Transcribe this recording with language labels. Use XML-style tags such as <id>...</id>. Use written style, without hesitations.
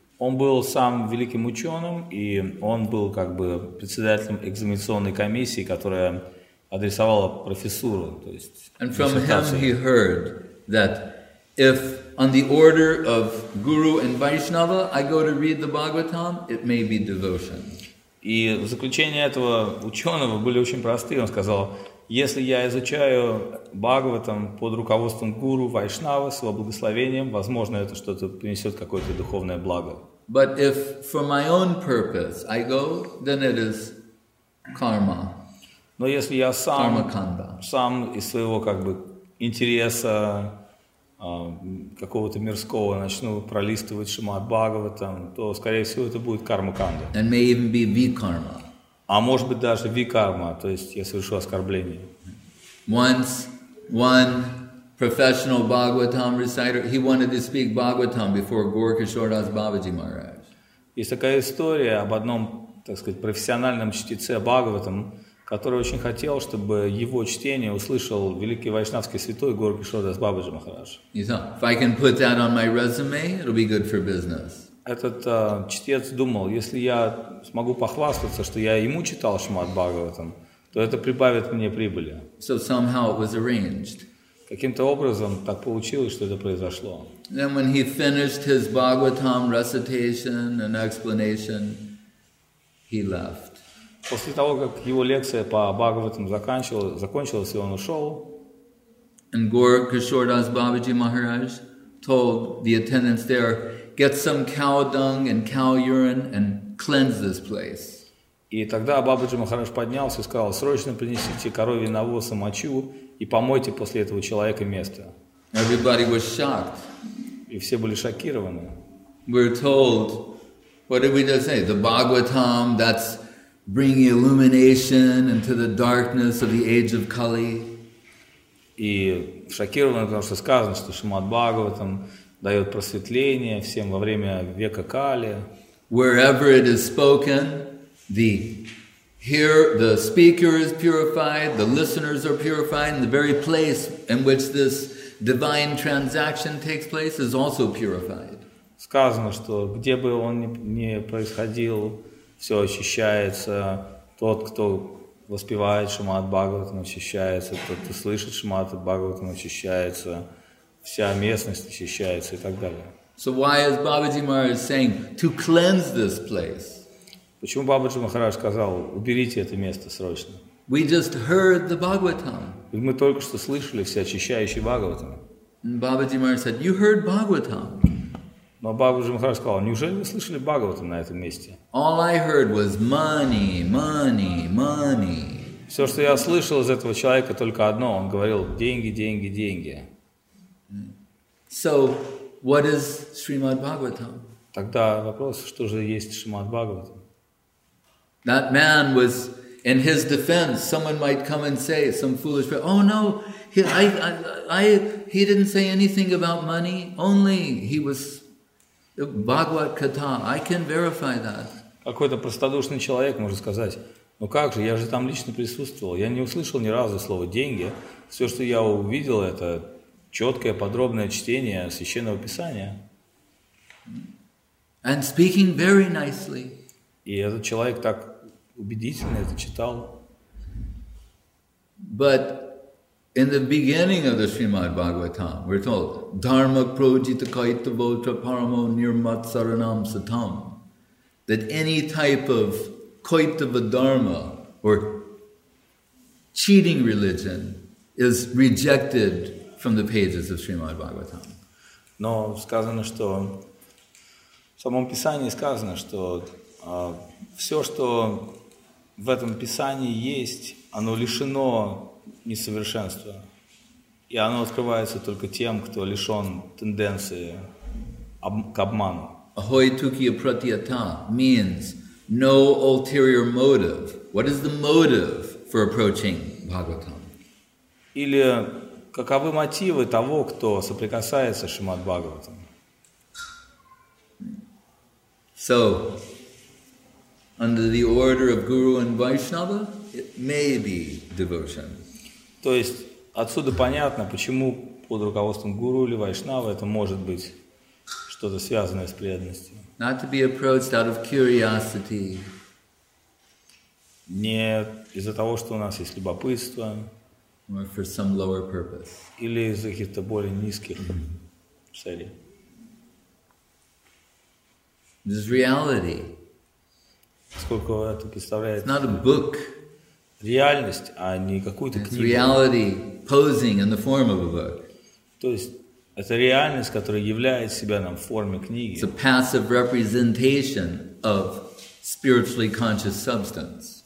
<ru>Он был сам великим ученым, и он был председателем экзаменационной комиссии, которая адресовала профессуру, то есть.</ru> <en>And from him he heard that if on the order of Guru and Vaishnava I go to read the Bhagavatam, it may be devotion.</en> <ru>И в заключение этого ученого были очень простые. Он сказал, если я изучаю Бхагаватам под руководством Гуру Вайшнавы с его благословением, возможно, это что-то принесет какое-то духовное благо.</ru> <en>But if for my own purpose I go, then it is karma.</en> <ru>Но если я сам из своего как бы интереса какого-то мирского начну пролистывать Шримад Бхагаватам, то, скорее всего, это будет карма-канда.</ru> <en>And may even be vikarma.</en> <ru>А может быть даже викарма, то есть я совершу оскорбление.</ru> <en>Once one professional Bhagavatam reciter, he wanted to speak Bhagavatam before Gaur Kishore Das Babaji Maharaj.</en> <ru>Есть такая история об одном, так сказать, профессиональном чтеце Бхагаватам, который очень хотел, чтобы его чтение услышал великий вайшнавский святой Гаур Кишор Дас Бабаджи Махарадж.</ru> <en>If I can put that on my resume, it'll be good for business.</en> <ru>Этот чтец думал, если я смогу похвастаться, что я ему читал Шримад Бхагаватам, то это прибавит мне прибыли.</ru> <en>So somehow it was arranged.</en> <ru>Каким-то образом так получилось, что это произошло.</ru> <en>Then when he finished his Bhagavatam recitation and explanation, he left.</en> <ru>После того, как его лекция по Бхагаватам закончилась, и он ушел.</ru> <en>And Gaur Kishore Das Babaji Maharaj told the attendants there, get some cow dung and cow urine and cleanse this place.</en> <ru>И тогда Бабаджи Махарадж поднялся и сказал, срочно принесите коровий навоз и мочу и помойте после этого человека место.</ru> <en>Everybody was shocked.</en> <ru>И все были шокированы.</ru> <en>We're told, what did we just say? The Bhagavatam, that's bring illumination into the darkness of the age of Kali.</en> <ru>И шокировано, потому что сказано, что Шримад Бхагаватам дает просветление всем во время века Кали.</ru> <en>Wherever it is spoken, the speaker is purified, the listeners are purified, and the very place in which this divine transaction takes place is also purified.</en> <ru>Сказано, что где бы он ни происходил, все очищается, тот, кто воспевает Шримад Бхагаватам, очищается, тот, кто слышит Шримад Бхагаватам, очищается, вся местность очищается и так далее.</ru> <en>So why is Babaji Maharaj saying to cleanse this place?</en> <ru>Почему Бабаджи Махарадж сказал, уберите это место срочно?</ru> <en>We just heard the Bhagavatam.</en> <ru>Мы только что слышали все очищающие Бхагаватам.</ru> <en>And Babaji Maharaj said, you heard Bhagavatam.</en> <ru>Но Бабаджи Махарадж сказал, неужели вы слышали Бхагаватам на этом месте?</ru> <en>All I heard was money, money, money.</en> <ru>Все, что я слышал из этого человека, только одно. Он говорил, деньги, деньги, деньги.</ru> <en>So, what is Srimad Bhagavatam?</en> <ru>Тогда вопрос, что же есть Шримад Бхагаватам?</ru> <en>That man was, in his defense, someone might come and say, some foolish person, oh no, he didn't say anything about money, only he was... Bhagavat Katha, I can verify that.</en> <ru>Какой-то простодушный человек может сказать, ну как же, я же там лично присутствовал, я не услышал ни разу слова деньги. Все, что я увидел, это четкое, подробное чтение Священного Писания.</ru> <en>And speaking very nicely.</en> <ru>И этот человек так убедительно это читал.</ru> <en>But in the beginning of the Srimad Bhagavatam, we're told,</en> <sa>dharma projita kaita bhota paramo nirmat saranam satam,</sa> <en>that any type of kaitava dharma or cheating religion is rejected from the pages of Srimad Bhagavatam.</en> <ru>Но сказано, что в самом писании сказано, что все, что в этом писании есть, оно лишено несовершенство. И оно открывается только тем, кто лишен тенденции к обману.</ru> <sa>Ahoy tukya pratyata</sa> <en>means no ulterior motive. What is the motive for approaching Bhagavatam?</en> <ru>Или каковы мотивы того, кто соприкасается с Шримад Бхагаватам?</ru> <en>So, under the order of Guru and Vaishnava, it may be devotion.</en> <ru>То есть отсюда понятно, почему под руководством гуру или вайшнава это может быть что-то связанное с преданностью.</ru> <en>Not to be approached out of curiosity.</en> <ru>Не из-за того, что у нас есть любопытство.</ru> <en>Or for some lower purpose.</en> <ru>Или из-за каких-то более низких целей.</ru> <en>This is reality.</en> <ru>Сколько это представляет?</ru> <en>It's not a book.</en> <ru>Реальность, а не какую-то</ru> <en>It's</en> <ru>книгу.</ru> <en>Reality posing in the form of a book.</en> <ru>То есть это реальность, которая являет себя нам в форме книги.</ru> <en>It's a passive representation of spiritually conscious substance.</en>